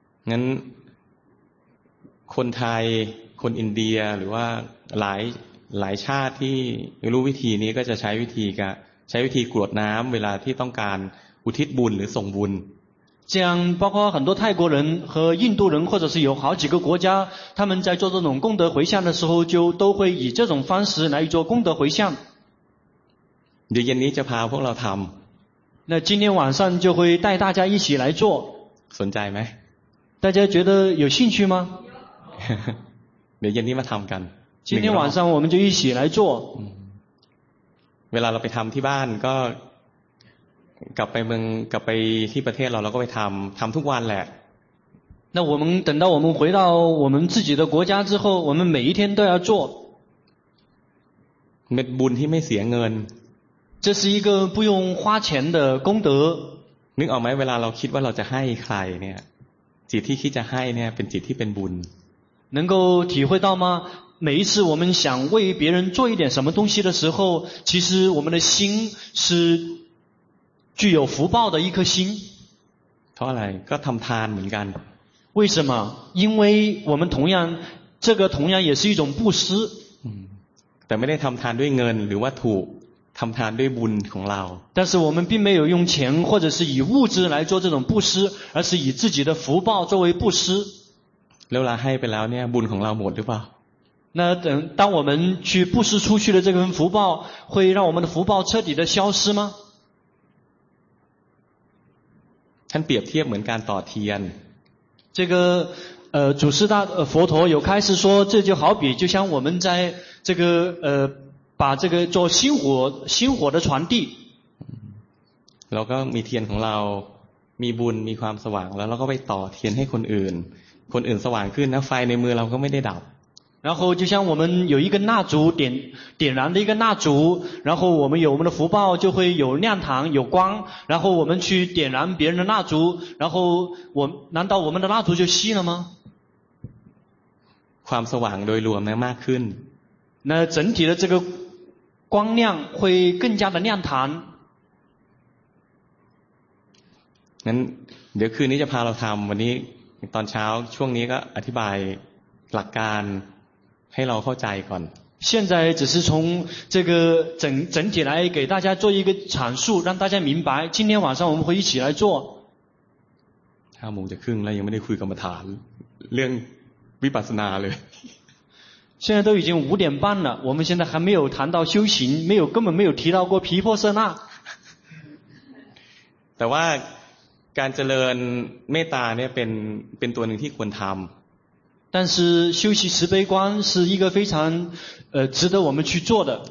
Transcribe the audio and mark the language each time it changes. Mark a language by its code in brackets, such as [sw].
[th] งั้นคนไทยคนอินเดียหรือว่าหลายชาติที่รู้วิธีนี้ก็จะใช้วิธีกรวดน้ำเวลาที่ต้องการอุทิศบุญหรือส่งบุญ [zh] 这样包括很多泰国人和印度人或者是有好几个国家他们在做这种功德回向的时候就都会以这种方式来做功德回向 [th] เดี๋ยวเย็นนี้จะพาพวกเราทำ [zh] 那今天晚上就会带大家一起来做 [th] สนใจไหม [zh] 大家觉得有兴趣吗 [th] เดี๋ยวเย็นนี้มาทำกัน [zh] 今天晚上我们就一起来做 [th] เวลาเราไปทำที่บ้านก็กลับไปที่ประเทศเราแล้วก็ไปทำทุกวันแหละ [zh] 那我们等到我们回到我们自己的国家之后我们每一天都要做 [th] เม็ดบุญที่ไม่เสียเงิน [zh] 这是一个不用花钱的功德 [th] นึกออกไหมเวลาเราคิดว่าเราจะให้ใครเนี่ยจิตที่คิดจะให้เนี่ยเป็นจิตที่เป็นบุญ [zh] 能够体会到吗每一次我们想为别人做一点什么东西的时候其实我们的心是具有福报的一颗心 [th] เพราะอะไรก็ทำทานเหมือนกัน [zh] 为什么因为我们同样这个同样也是一种布施 [th] แต่ไม่ได้ทำทานด้วยเงินหรือว่าถูกทำทานด้วยบุญของเรา [zh] 但是我们并没有用钱或者是以物资来做这种布施而是以自己的福报作为布施 [th] แล้วเราให้ไปแล้วเนี่ยบุญของเราหมดหรือเปล่า [zh] 那当我们去布施出去的这份福报会让我们的福报彻底的消失吗 [th] ท่านเปรียบเทียบเหมือนการต่อเทียน [zh] 这个祖师大佛陀有开始说这就好比就像我们在这个把这个做星火的传递 [th] เราก็มีเทียนของเรามีบุญมีความสว่างแล้วเราก็ไปต่อเทียนให้คนอื่นสว่างขึ้นนะไฟในมือเราก็ไม่ได้ดับ [zh] 然后就像我们有一根蜡烛点燃的一根蜡烛然后我们有我们的福报就会有亮堂有光然后我们去点燃别人的蜡烛然后我难道我们的蜡烛就熄了吗 [th] ความสว่างโดยรวมมากขึ้น [zh] 那整体的这个光亮会更加的亮堂 [th] งั้นเดี๋ยวคืนนี้จะพาเราทำวันนี้ตอนเช้าช่วงนี้ก็อธิบายหลักการให้เราเข้าใจก่อน [zh] 现在只是从这个整体来给大家做一个阐述让大家明白今天晚上我们会一起来做 [th] ถ้าโมงจะครึ่งแล้วยังไม่ได้คุยกรรมฐานเรื่องวิปัสสนาเลย [zh] 现在都已经五点半了我们现在还没有谈到修行没有根本没有提到过毗婆舍那 [th] แต่ว่าการเจริญเมตตาเนี่ยเป็นตัวหนึ่งที่ควรทำ [zh] 但是修习慈悲观是一个非常值得我们去做的